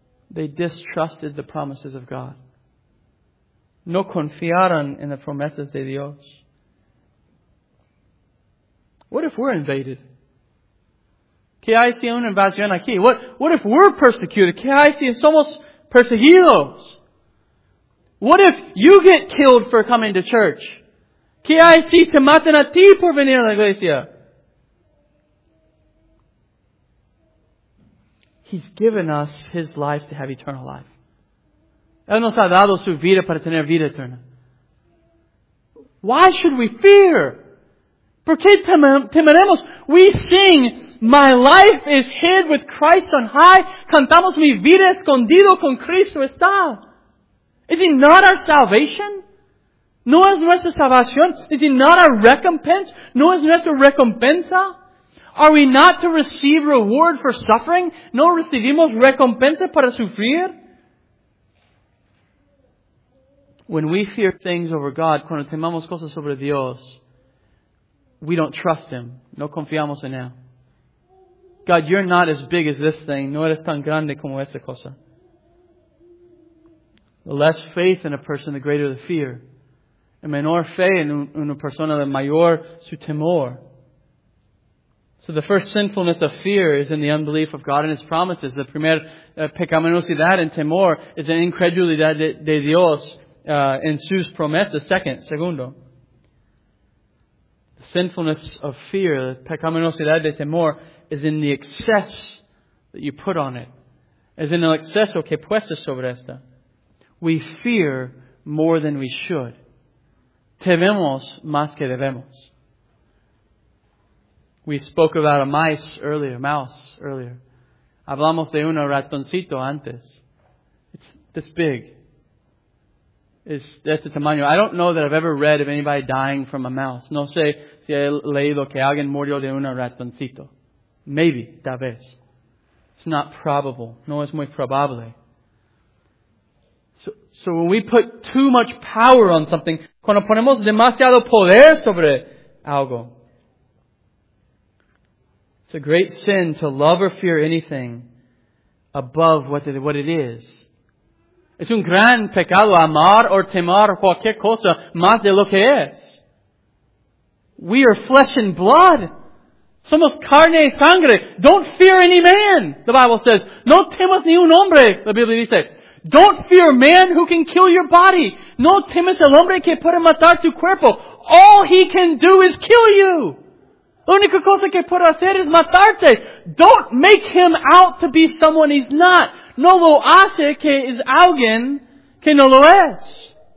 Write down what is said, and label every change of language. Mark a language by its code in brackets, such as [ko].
[en] They distrusted the promises of God. [es] No confiaron en las promesas de Dios. [en] What if we're invaded? [es] ¿Qué hay si una invasión aquí? [en] What if we're persecuted? [es] ¿Qué hay si somos perseguidos? [en] What if you get killed for coming to church? [es] ¿Qué hay si te matan a ti por venir a la iglesia? [en] He's given us His life to have eternal life. [es] Él nos ha dado su vida para tener vida eterna. [en] Why should we fear? [es] ¿Por qué temeremos? [en] We sing, my life is hid with Christ on high. [es] Cantamos, mi vida escondido con Cristo está. [en] Is He not our salvation? [es] ¿No es nuestra salvación? [en] Is He not our recompense? [es] ¿No es nuestra recompensa? [en] Are we not to receive reward for suffering? [es] ¿No recibimos recompensa para sufrir? [en] When we fear things over God, [es] cuando temamos cosas sobre Dios, [en] we don't trust Him. [es] No confiamos en Él. [en] God, You're not as big as this thing. [es] No eres tan grande como esta cosa. [en] The less faith in a person, the greater the fear. [es] El menor fe en una persona, el mayor su temor. [en] So the first sinfulness of fear is in the unbelief of God and His promises. [es] The primer pecaminosidad en temor is in incredulidad de Dios en sus promesas. Segundo. [en] The sinfulness of fear, [es] the pecaminosidad de temor, [en] is in the excess that you put on it. [es] Es en el exceso que puestas sobre esta. [en] We fear more than we should. [es] Tememos más que debemos. [en] We spoke about a mouse earlier. [es] Hablamos de un ratoncito antes. [en] It's this big. It's [es] de este tamaño. [en] I don't know that I've ever read of anybody dying from a mouse. [es] No sé si he leído que alguien murió de un ratoncito. [en] Maybe, [es] tal vez. [en] It's not probable. [es] No es muy probable. [en] So when we put too much power on something, [es] cuando ponemos demasiado poder sobre algo, [en] it's a great sin to love or fear anything above what it is. [es] Es un gran pecado amar o temer cualquier cosa más de lo que es. [en] We are flesh and blood. [es] Somos carne y sangre. [en] Don't fear any man, the Bible says. [es] No temas ni un hombre, la Biblia dice. [en] Don't fear man who can kill your body. [es] No temas el hombre que puede matar tu cuerpo. [en] All he can do is kill you. [es] La única cosa que puede hacer es matarte. [en] Don't make him out to be someone he's not. [es] No lo hace que es alguien que no lo es.